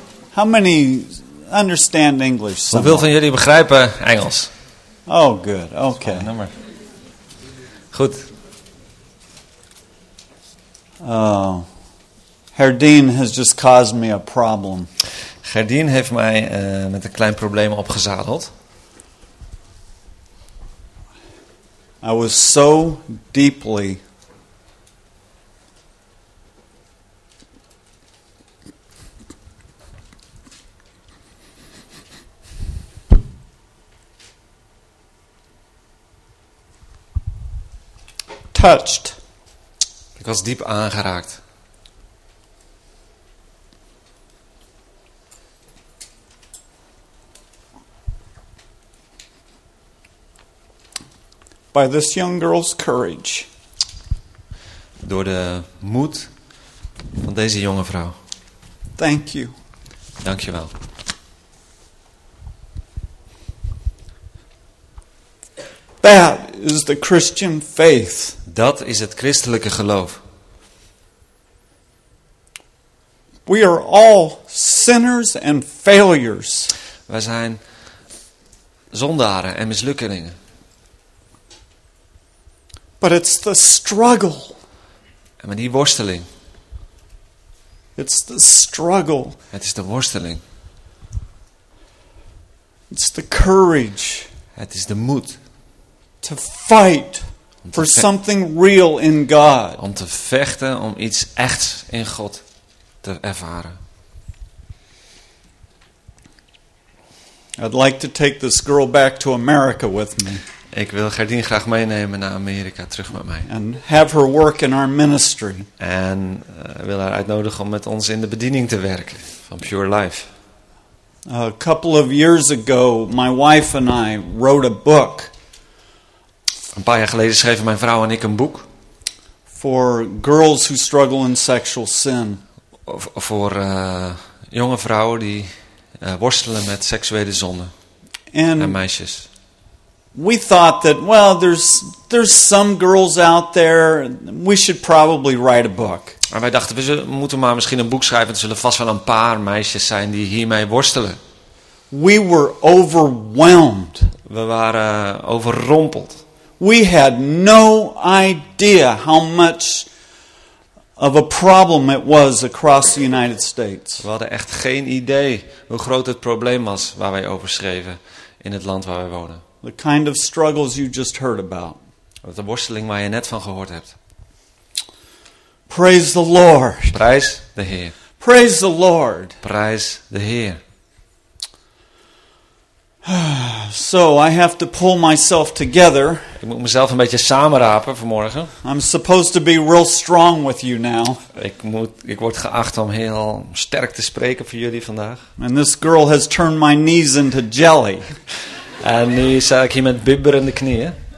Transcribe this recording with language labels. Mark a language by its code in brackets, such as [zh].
[en] How many understand English? Somewhat? [nl] Hoeveel van jullie begrijpen Engels? [en] Oh, good. Okay. [nl] Goed. [en] Gerdien has just caused me a problem. [nl] Gerdien heeft mij met een klein probleem opgezadeld. [en] I was so deeply touched. [nl] Ik was diep aangeraakt. [en] By this young girl's courage. [nl] Door de moed van deze jonge vrouw. [en] Thank you. [nl] Dankjewel. [en] That is the Christian faith. [nl] Dat is het christelijke geloof. [en] We are all sinners and failures. [nl] Wij zijn zondaren en mislukkelingen. [en] But it's the struggle. [nl] En met die worsteling. [en] It's the struggle. [nl] Het is de worsteling. [en] It's the courage. [nl] Het is de moed. [en] To fight for something real in God. [nl] Om te vechten om iets echts in God te ervaren. [en] I'd like to take this girl back to America with me. [nl] Ik wil Gerdien graag meenemen naar Amerika, terug met mij. [en] And have her work in our ministry. [nl] En wil haar uitnodigen om met ons in de bediening te werken van Pure Life. [en] A couple of years ago, my wife and I wrote a book. [nl] Een paar jaar geleden schreven mijn vrouw en ik een boek. [en] For girls who struggle in sexual sin. [nl] Voor jonge vrouwen die worstelen met seksuele zonde. En meisjes. [en] We thought that, well, there's some girls out there, we should probably write a book. [nl] En wij dachten, we moeten maar misschien een boek schrijven, er zullen vast wel een paar meisjes zijn die hiermee worstelen. [en] We were overwhelmed. [nl] We waren overrompeld. [en] We had no idea how much of a problem it was across the United States. [nl] We hadden echt geen idee hoe groot het probleem was waar wij over schreven in het land waar wij wonen. [en] The kind of struggles you just heard about. [nl] De worsteling waar je net van gehoord hebt. [en] Praise the Lord. [nl] Prijs de Heer. [en] Praise the Lord. [nl] Prijs de Heer. [en] So I have to pull myself together. [nl] Ik moet mezelf een beetje samenrapen vanmorgen. [en] I'm supposed to be real strong with you now. [nl] Ik word geacht om heel sterk te spreken voor jullie vandaag. [en] And this girl has turned my knees into jelly. [nl] En nu sta ik hier met bibberende knieën.